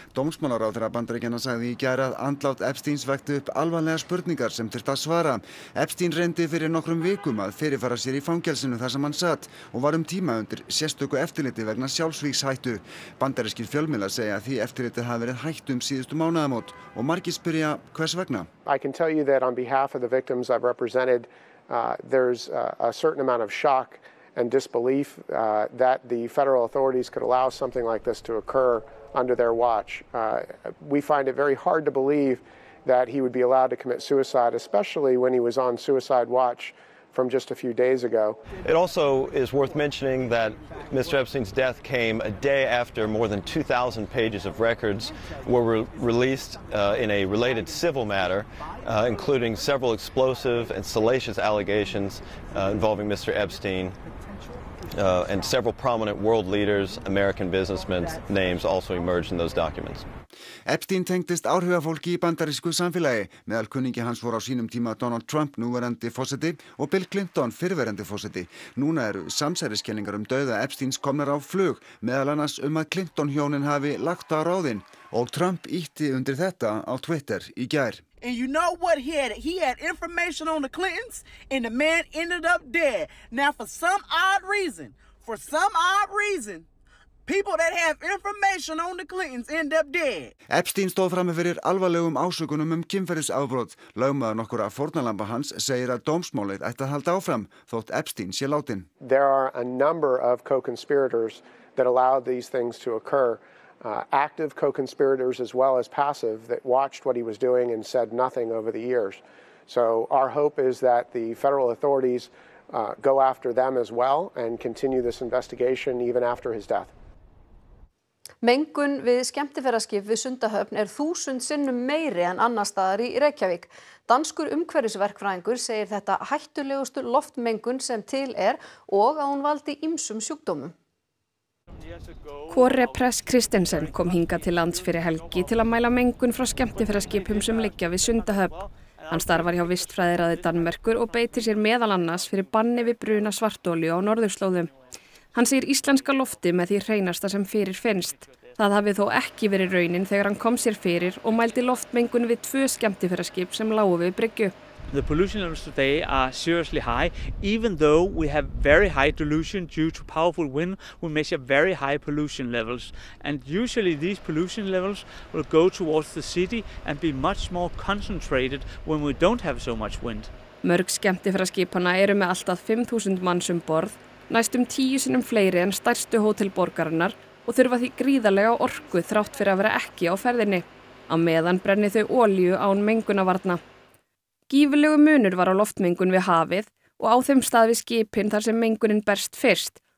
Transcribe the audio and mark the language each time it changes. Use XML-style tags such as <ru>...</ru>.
<is>Dómsmálaráðherra Bandaríkjanna sagði í gær að andlát Epsteins vekti upp alvarlegar spurningar sem þurfti að svara. Epstein reyndi fyrir nokkrum vikum að fyrirfara sér í fangelsinu þar sem hann sat og var tíma undir sérstöku eftirliti vegna sjálfsvígshættu. Bandarískir fjölmiðlar segja að því eftirlitið hafi verið hætt síðustu mánaðamót og margir spyrja hvers vegna.</is> <en>I can tell you that on behalf of the victims I've represented, there's a certain amount of shock and disbelief that the federal authorities could allow something like this to occur under their watch. We find it very hard to believe that he would be allowed to commit suicide, especially when he was on suicide watch from just a few days ago. It also is worth mentioning that Mr. Epstein's death came a day after more than 2,000 pages of records were released in a related civil matter, including several explosive and salacious allegations involving Mr. Epstein. And several prominent world leaders, American businessmen's names also emerged in those documents.</en> <is>Epstein tengdist áhrifafólki í bandarísku samfélagi. Meðal kunningi hans voru á sínum tíma Donald Trump, núverandi forseti, og Bill Clinton, fyrrverandi forseti. Núna eru samsæriskenningar dauða Epsteins komnar á flug, meðal annars að Clinton-hjónin hafi lagt á ráðin. Og Trump ýtti undir þetta á Twitter í gær.</is> <en>And you know what he had information on the Clintons and the man ended up dead. Now for some odd reason people that have information on the Clintons end up dead.</en> <is>Epstein stóð frammi fyrir alvarlegum ásökunum kynferðisafbrot. Lögmaður nokkurra fórnarlamba hans segir að dómsmálið ætti að halda áfram þótt Epstein sé látinn.</is> <en>There are a number of co-conspirators that allowed these things to occur. Active co-conspirators as well as passive that watched what he was doing and said nothing over the years. So our hope is that the federal authorities go after them as well and continue this investigation even after his death.</en> <is>Mengun við skemmtiferðaskip við Sundahöfn 1000 sinnum meiri en annars staðar í Reykjavík. Danskur umhverfisverkfræðingur segir þetta hættulegustu loftmengun sem til og að hún valdi ýmsum sjúkdómum. Kåre Press Kristensen kom hingað til lands fyrir helgi til að mæla mengun frá skemmtiferðaskipum sem liggja við Sundahöfn. Hann starfar hjá Vistfræðiráði Danmerkur og beitir sér meðal annars fyrir banni við bruna svartolíu á norðurslóðum. Hann segir íslenska lofti með því hreinasta sem fyrir finnst. Það hafi þó ekki verið raunin þegar hann kom sér fyrir og mældi loftmengun við tvö skemmtiferðaskip sem lágu við bryggju.</is> <en>The pollution levels today are seriously high, even though we have very high dilution due to powerful wind, we measure very high pollution levels. And usually these pollution levels will go towards the city and be much more concentrated when we don't have so much wind.</en> <is>Mörg skemmtiferðaskipanna eru með allt að 5.000 manns borð, næstum 10 sinnum fleiri en stærstu hótelborgarinnar og þurfa því gríðarlega orku þrátt fyrir að vera ekki á ferðinni. Á meðan brenni þau olíu án mengunarvarna. Gífurlegu munur var á loftmengun við hafið og á þeim stað við skipin þar sem mengunin berst fyrst.</is>